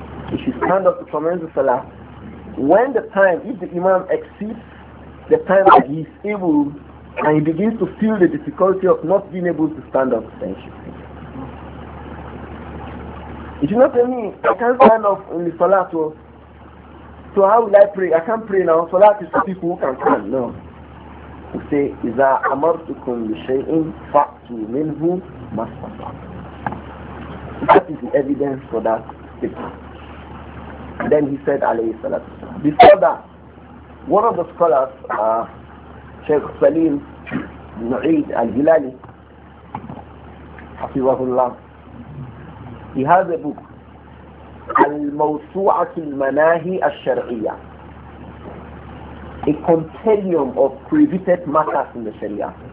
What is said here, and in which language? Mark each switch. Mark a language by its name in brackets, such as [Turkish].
[English] He should stand up to commence the salah. When the time, if the imam exceeds the time that he is able, and he begins to feel the difficulty of not being able to stand up, then he should sit. If you not tell me, I can't stand up in the salah, so how will I pray? I can't pray now. Salah is for people who can come. No. He say, [Arabic] إِذَا أَمَرْتُكُمْ بِشَيْءٍ فَأْتُوا مِنْهُ مَا اسْتَطَعْتُمْ. [English] That is the evidence for that statement. Then he said, [Arabic] عليه الصلاة والسلام. [English] Before that, one of the scholars, Sheikh Salim Nu'id al-Hilali, حفظه الله, he has a book, Al-Mawsu'atu al-Manahi al-Shar'iyya, a compendium of prohibited matters in the Sharia.